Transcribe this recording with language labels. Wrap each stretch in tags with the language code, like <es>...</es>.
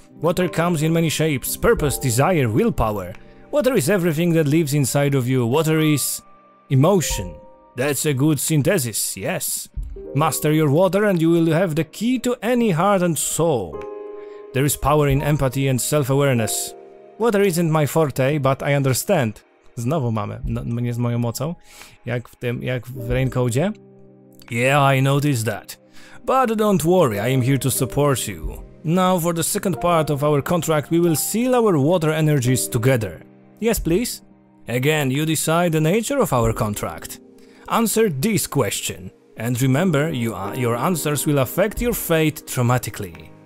<en>Water comes in many shapes, purpose, desire, willpower. Water is everything that lives inside of you. Water is emotion. That's a good synthesis, yes. Master your water and you will have the key to any heart and soul. There is power in empathy and self-awareness. Water isn't my forte, but I understand.</en> <pl>Znowu mamy, no, nie z moją mocą, jak w Raincodzie.</pl> <en>Yeah, I noticed that. But don't worry, I am here to support you. Now for the second part of our contract, we will seal our water energies together. Yes, please. Again, you decide the nature of our contract. Answer this question. And remember, your answers will affect your fate dramatically.</en>